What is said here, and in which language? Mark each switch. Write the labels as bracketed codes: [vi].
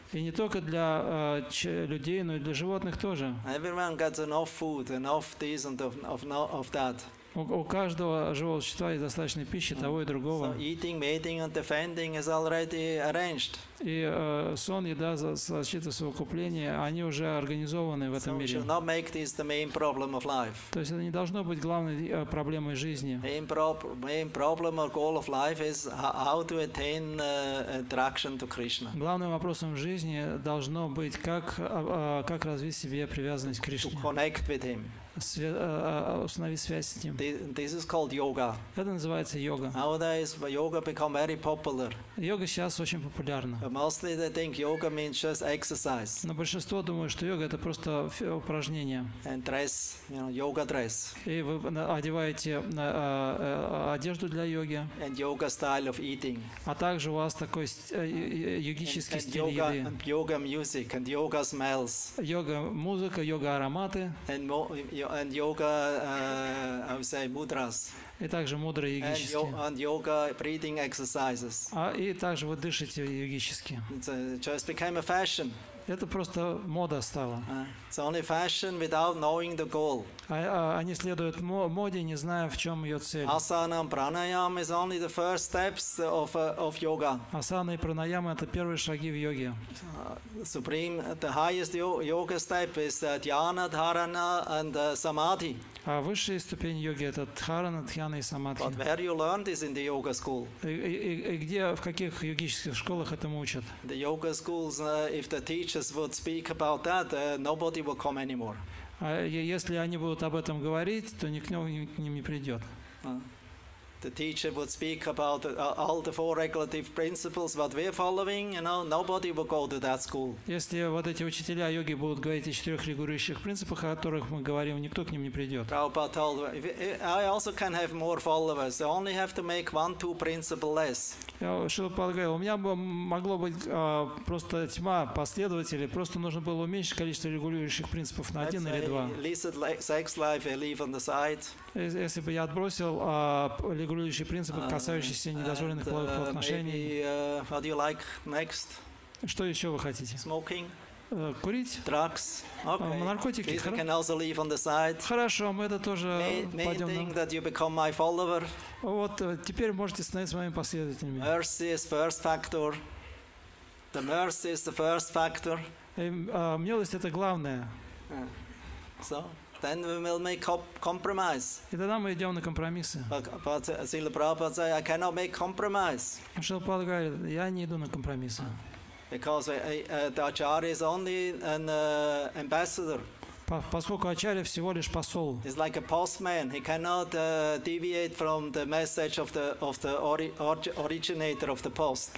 [ru] И не только для людей, но и для животных тоже. [en] Everyone gets enough food, enough this and of that. [ru] У каждого живого существа есть достаточно пищи того и другого. [en] So eating, mating, and defending is already arranged. [ru] И сон, еда, защита, совокупление, они уже организованы в этом [en] so [ru] мире. [en] So we should not make this the main problem of life. [ru] То есть это не должно быть главной проблемой жизни. [en] Main problem or goal of life is how to attain attraction to Krishna. [ru] Главным вопросом в жизни должно быть, как развить себе привязанность к Кришне. [en] To connect with him. [ru] Установить связь с ним. [en] This is called yoga. [ru] Это называется йога. [en] Nowadays, yoga become very popular. [ru] Йога сейчас очень популярна. [en] But mostly they think yoga means just exercise. [ru] Но большинство думают, что йога это просто упражнение. [en] And dress, yoga dress. [ru] И вы одеваете одежду для йоги. [en] And yoga style of eating. [ru] А также у вас такой йогический стиль еды. [en] And yoga music and yoga smells. [ru] Йога музыка, йога ароматы. [en] And yoga, I would say mudras. [ru] И также мудрые йогические. [en] And yoga breathing exercises. [ru] И также вы дышите йогически. [en] It just became a fashion. [ru] Это просто мода стала. [en] It's only fashion without knowing the goal. [ru] Они следуют моде, не зная, в чем ее цель. [en] Asana and pranayama is only the first steps of yoga. [ru] Асана и пранаяма это первые шаги в йоге. [en] Supreme, the highest yoga step is dhyana, dharana and samadhi. [ru] А высшая ступень йоги это дхарана, дхьяна и самадхи. [en] But where you learn this in the yoga school? [ru] И где, в каких йогических школах этому учат? [en] The yoga schools, if the teachers would speak about that, nobody would come anymore. [ru] А если они будут об этом говорить, то никто к ним не придет. [en] The teacher would speak about all the four regulative principles what we're following, nobody would go to that school. [ru] Если вот эти учителя йоги будут говорить о четырех регулирующих принципах, о которых мы говорим, никто к ним не придет. [en] Prabhupada told, I also can have more followers. I only have to make one, two principles less. [ru] Шилопад говорил, у меня могло быть просто тьма последователей, просто нужно было уменьшить количество регулирующих принципов на один или два. [en] Illicit sex life, I leave on the side. [ru] Если бы я отбросил регулирующие принципы, касающиеся недозволенных половых отношений. [en] What do you like next? [ru] Что еще вы хотите? [en] Smoking. [ru] Курить. [en] Drugs. Okay. [ru] Наркотики. [en] This can also leave on the side. [ru] Хорошо, мы это тоже пойдем. [en] Main thing that you become my follower. [ru] Вот теперь можете становиться моими последователями. [en] Mercy is first factor. The mercy is the first factor. [ru] Милость это главное. [en] So. Then we will make compromise. [ru] И тогда мы идем на компромиссы. [en] But Srila Prabhupada said, I cannot make compromise. [ru] Шрила Прабхупада говорит, я не иду на компромиссы. [en] Because the acharya is only an ambassador. [ru] Поскольку ачарья всего лишь посол. [en] He's like a postman. He cannot deviate from the message of the originator of the post.